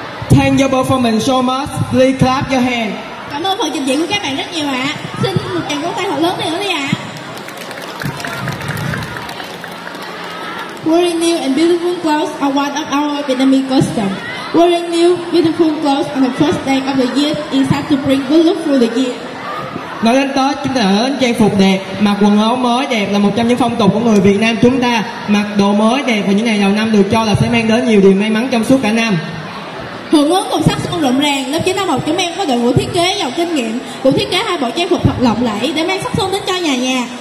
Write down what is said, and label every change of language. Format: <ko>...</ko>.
<en>tangible performance so much. Please clap your hand.</en> <vi>Cảm ơn phần trình diễn của các bạn rất nhiều ạ. Xin một tràng vỗ tay thật lớn nữa đi ạ.</vi> <en>Wearing new and beautiful clothes are one of our Vietnamese customs. Wearing new, beautiful clothes on the first day of the year is how to bring good luck through the year.</en> <vi>Nói đến Tết, chúng ta ở trang phục đẹp, mặc quần áo mới đẹp là một trong những phong tục của người Việt Nam chúng ta. Mặc đồ mới đẹp vào những ngày đầu năm được cho là sẽ mang đến nhiều điều may mắn trong suốt cả năm. Hưởng ứng một sắc son rộng ràng, lớp 9 năm học chúng em có đội ngũ thiết kế giàu kinh nghiệm, cũng thiết kế hai bộ trang phục thật lộng lẫy để mang sắc son đến cho nhà nhà.</vi>